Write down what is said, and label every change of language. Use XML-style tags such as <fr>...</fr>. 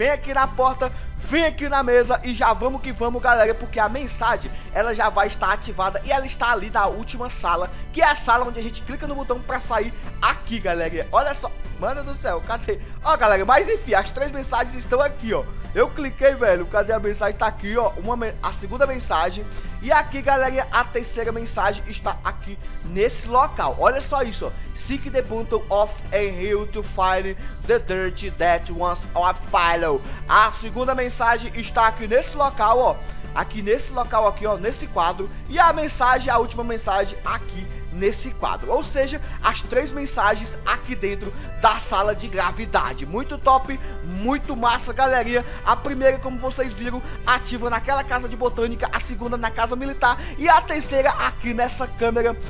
<pt>Vem aqui na porta, vem aqui na mesa e já vamos que vamos, galera, porque a mensagem, ela já vai estar ativada e ela está ali na última sala, que é a sala onde a gente clica no botão pra sair aqui, galera. Olha só, mano do céu, cadê? Ó, galera, mas enfim, as três mensagens estão aqui, ó. Eu cliquei, velho, cadê a mensagem? Tá aqui, ó, a segunda mensagem. E aqui, galera, a terceira mensagem está aqui nesse local. Olha só isso, ó.</pt> <en>Seek the bottom of a hill to find the dirt that once a fellow.</en> <pt>A segunda mensagem está aqui nesse local, ó. Aqui nesse local aqui, ó, nesse quadro. E a mensagem, a última mensagem aqui nesse quadro. Ou seja, as três mensagens aqui dentro da sala de gravidade. Muito top, muito massa, galerinha. A primeira, como vocês viram, ativa naquela casa de botânica, a segunda na casa militar e a terceira aqui nessa câmera.</pt>